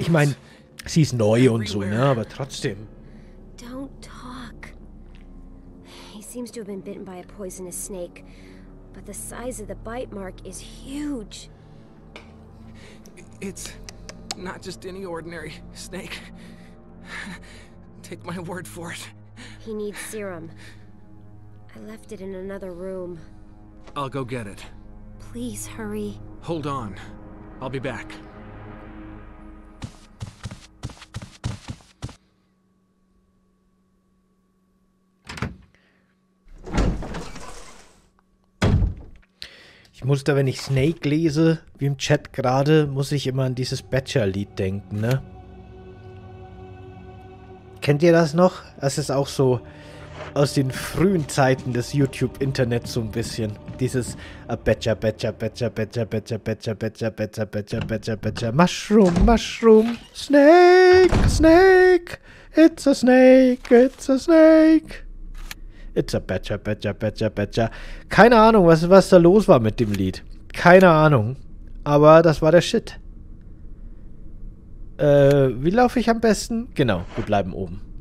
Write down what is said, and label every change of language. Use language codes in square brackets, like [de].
[de] Ich meine, sie ist neu und so, ne? Aber trotzdem. [en] Don't talk. He seems to have been bitten by a poisonous snake, but the size of the bite mark is huge. It's not just any ordinary snake. Take my word for it. He needs serum. I left it in another room. I'll go get it. Please hurry. Hold on. I'll be back. [de] Ich muss da, wenn ich Snake lese, wie im Chat gerade, muss ich immer an dieses Badger-Lied denken, ne? Kennt ihr das noch? Das ist auch so aus den frühen Zeiten des YouTube-Internets so ein bisschen. Dieses [en] Badger, Badger, Badger, Badger, Badger, Badger, Badger, Badger, Badger, Badger, Badger, Mushroom, Mushroom, Snake, Snake, it's a snake, it's a snake. It's a Badger, Badger, Badger, Badger. [de] Keine Ahnung, was da los war mit dem Lied. Keine Ahnung. Aber das war der Shit. Wie laufe ich am besten? Genau, wir bleiben oben.